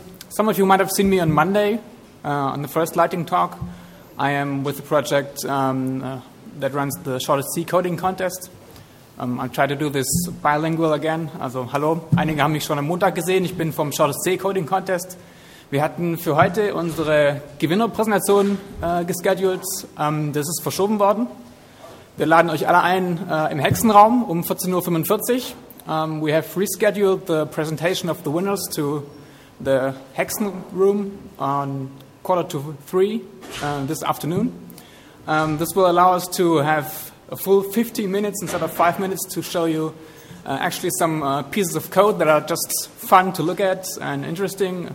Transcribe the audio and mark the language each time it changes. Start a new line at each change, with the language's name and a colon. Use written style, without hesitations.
English: Some of you might have seen me on Monday on the first lighting talk. I am with a project that runs the shortest C coding contest. I'll try to do this bilingual again.
German: Also, hallo. Einige haben mich schon am Montag gesehen. Ich bin vom shortest C coding contest. Wir hatten für heute unsere Gewinnerpräsentation gescheduled. Das ist verschoben worden. Wir laden euch alle ein im Hexenraum um 14.45 Uhr.
English: We have rescheduled the presentation of the winners to the Hexen Room on 2:45 this afternoon. This will allow us to have a full 15 minutes instead of 5 minutes to show you actually some pieces of code that are just fun to look at and interesting.